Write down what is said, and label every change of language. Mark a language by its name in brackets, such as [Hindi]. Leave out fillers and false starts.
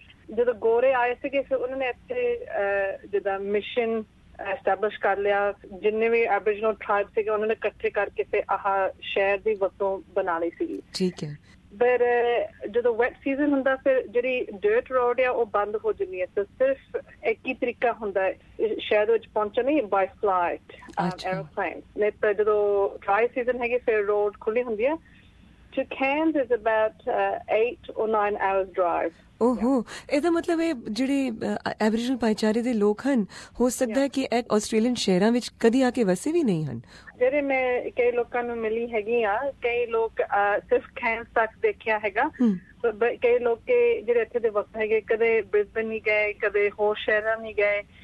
[Punjabi] ਜਦੋਂ ਗੋਰੇ ਆਏ ਸੀਗੇ ਫਿਰ ਉਹਨਾਂ ਨੇ ਇੱਥੇ ਜਿੱਦਾਂ ਮਿਸ਼ਨ ਐਸਟੈਬਲਿਸ਼ ਕਰ ਲਿਆ, ਜਿੰਨੇ ਵੀ ਐਬੋਰੀਜਨਲ ਟ੍ਰਾਈਬ ਸੀਗੇ ਉਹਨਾਂ ਨੇ ਇਕੱਠੇ ਕਰਕੇ ਫਿਰ ਆਹ ਸ਼ਹਿਰ ਦੀ ਵਸੋਂ ਬਣਾ ਲਈ ਸੀਗੀ। ਠੀਕ ਹੈ। ਪਰ ਜਦੋਂ ਵੈਟ ਸੀਜ਼ਨ ਹੁੰਦਾ ਫਿਰ ਜਿਹੜੀ ਡਰਟ ਰੋਡ ਆ ਉਹ ਬੰਦ ਹੋ ਜਾਂਦੀ ਹੈ, ਤੇ ਸਿਰਫ ਇੱਕ ਹੀ ਤਰੀਕਾ ਹੁੰਦਾ ਸ਼ਹਿਰ ਵਿੱਚ ਪਹੁੰਚਣ ਲਈ, ਬਾਈ ਫਲਾਈਟ ਐਰੋਪਲੇਨ। ਨਹੀਂ ਤਾਂ ਜਦੋਂ ਡਰਾਈ ਸੀਜ਼ਨ ਹੈਗੀ ਫਿਰ ਰੋਡ ਖੁੱਲੀ ਹੁੰਦੀ ਹੈ। [English] To Cairns is about 8 or 9 hours drive. [Punjabi] ਓਹੋ, ਇਹਦਾ ਮਤਲਬ ਇਹ ਜਿਹੜੇ ਐਬੋਰੀਜਨਲ ਭਾਈਚਾਰੇ ਦੇ ਲੋਕ ਹਨ, ਹੋ ਸਕਦਾ ਕਿ ਇਹ ਆਸਟ੍ਰੇਲੀਅਨ ਸ਼ਹਿਰਾਂ ਵਿੱਚ ਕਦੀ ਆ ਕੇ ਵਸੇ ਵੀ ਨਹੀਂ ਹਨ। ਜਿਹੜੇ ਮੈਂ ਕਈ ਲੋਕਾਂ ਨੂੰ ਮਿਲੀ ਹੈਗੀ ਆ, ਕਈ ਲੋਕ ਸਿਰਫ ਕੈਂਸ ਤੱਕ ਦੇਖਿਆ ਹੈਗਾ, ਕਈ ਲੋਕ ਜਿਹੜੇ ਇੱਥੇ ਦੇ ਵਸੇ ਹੈਗੇ ਕਦੇ ਬ੍ਰਿਸਬਨ ਨਹੀਂ ਗਏ, ਕਦੇ ਹੋਰ ਸ਼ਹਿਰਾਂ ਨਹੀਂ ਗਏ।